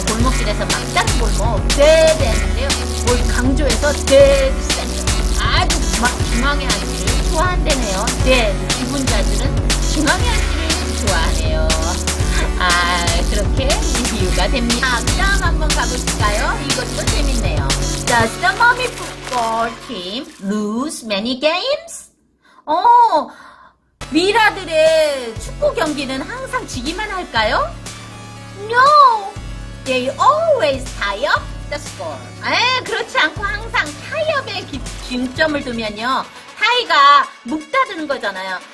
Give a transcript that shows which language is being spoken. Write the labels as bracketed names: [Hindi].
[Korean] 골목길에서 막다른 골목 대장인데요. 뭘 강조해서 대장. 아주 중앙에 앉기를 좋아한대네요. 대장 지분자들은 중앙에 앉기를 좋아하네요. 아 그렇게 이유가 됩니다. 아, 그 다음 한번 가볼까요? 이것도 재밌네요. [English] Does the mommy football team lose many games? [Korean] 미라들의 축구 경기는 항상 지기만 할까요? [English] No! They always tie up the score. [Korean] 에, 그렇지 않고 항상 tie up에 중점을 두면요. tie가 묶다드는 거잖아요.